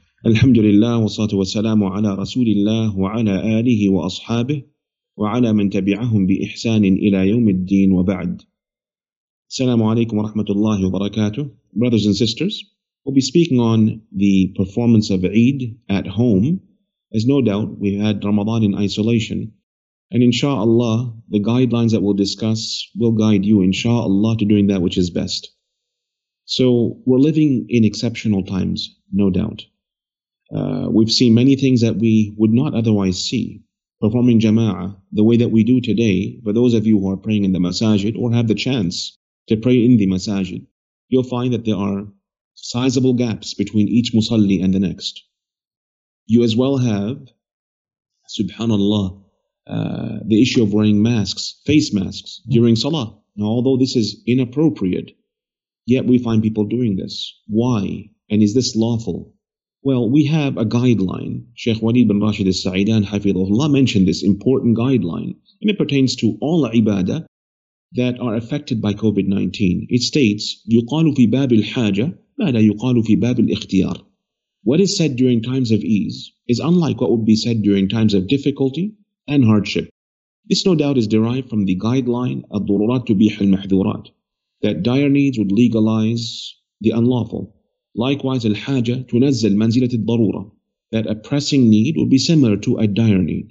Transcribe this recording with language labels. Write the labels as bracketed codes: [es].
[ar] الحمد لله والصلاة والسلام على رسول الله وعلى آله وأصحابه وعلى من تبعهم بإحسان إلى يوم الدين وبعد. السلام عليكم ورحمة الله وبركاته. [en] Brothers and sisters, we'll be speaking on the performance of Eid at home, as no doubt we've had Ramadan in isolation. And inshallah, the guidelines that we'll discuss will guide you inshallah to doing that which is best. So we're living in exceptional times, no doubt. We've seen many things that we would not otherwise see. Performing jama'ah the way that we do today, for those of you who are praying in the masajid or have the chance to pray in the masajid, you'll find that there are sizable gaps between each musalli and the next. You as well have, subhanallah, the issue of wearing masks, face masks, during salah. Now, although this is inappropriate, yet we find people doing this. Why? And is this lawful? Well, we have a guideline. Shaykh Waleed bin Rashid al-Sa'idan, hafidhullah, mentioned this important guideline. And it pertains to all ibadah that are affected by COVID-19. It states, [ar] يُقَالُ فِي بَابِ الْحَاجَةِ مَا لَا يُقَالُ فِي بَابِ الْإِخْتِيَارِ. [en] What is said during times of ease is unlike what would be said during times of difficulty and hardship. This no doubt is derived from the guideline, [ar] الضرورات تبيح المحذورات, [en] that dire needs would legalize the unlawful. Likewise, [ar] الحاجة تنزل منزلة الضرورة, [en] that a pressing need would be similar to a dire need.